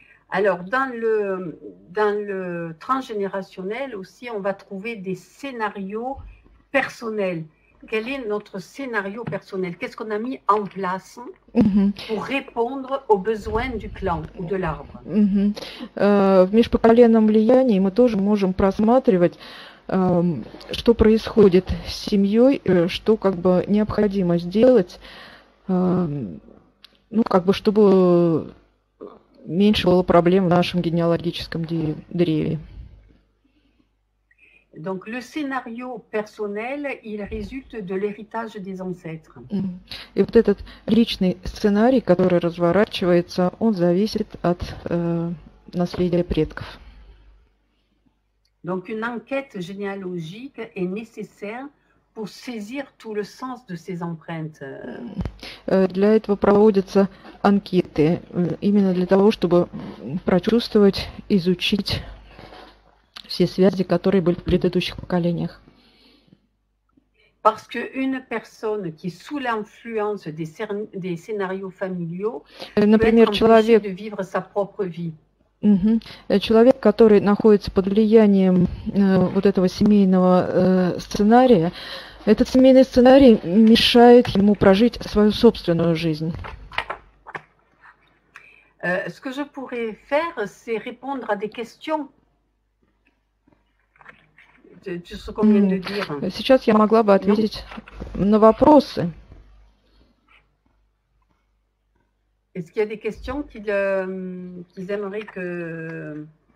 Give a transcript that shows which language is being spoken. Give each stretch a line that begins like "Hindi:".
French: Alors, dans le transgénérationnel aussi, on va trouver des scénarios personnels. Quel est notre scénario personnel? Qu'est-ce qu'on a mis en place pour répondre aux besoins du clan ou de l'arbre?
Russian: В межпоколенном влиянии мы тоже можем просматривать, что происходит с семьей, что как бы необходимо сделать, ну, как бы, чтобы меньше было проблем в нашем генеалогическом древе.
French: Donc, le scénario personnel, il résulte de l'héritage des ancêtres.
Russian: И вот этот личный сценарий, который разворачивается, он зависит от наследия предков.
French: Donc, une enquête généalogique est nécessaire pour saisir tout le sens de ces empreintes.
Russian: Для этого проводятся анкеты, именно для того, чтобы прочувствовать, изучить все связи, которые были в предыдущих поколениях.
French: Parce qu'une personne qui, sous l'influence des scénarios familiaux, peut
Russian: Например,
French: être empêchée de vivre sa propre vie.
Russian: человек, который находится под влиянием вот этого семейного сценария, этот семейный сценарий мешает ему прожить свою собственную жизнь.
French: Ce que je pourrais faire, c'est répondre à des questions. Tu sais combien de dire.
Russian: Сейчас я могла бы
French: Non.
Russian: ответить на вопросы.
French: Est-ce qu'il y a des questions qu'ils aimeraient que